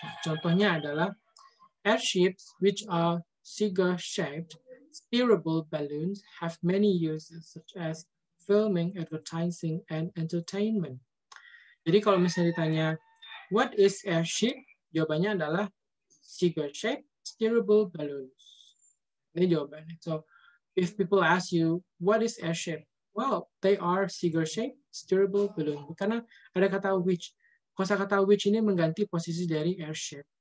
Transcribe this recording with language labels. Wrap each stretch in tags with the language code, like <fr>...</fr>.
<en>Contohnya adalah airships, which are cigar-shaped, steerable balloons, have many uses such as filming, advertising, and entertainment.</en> <id>Jadi kalau misalnya ditanya,</id> <en>what is airship?</en> <id>Jawabannya adalah</id> <en>cigar-shaped, steerable balloons.</en> <id>Ini jawabannya.</id> <en>So, if people ask you, what is airship? Well, they are cigar-shaped, steerable balloons.</en> <id>Karena ada kata which. Kosa kata which ini mengganti posisi dari airship.</id>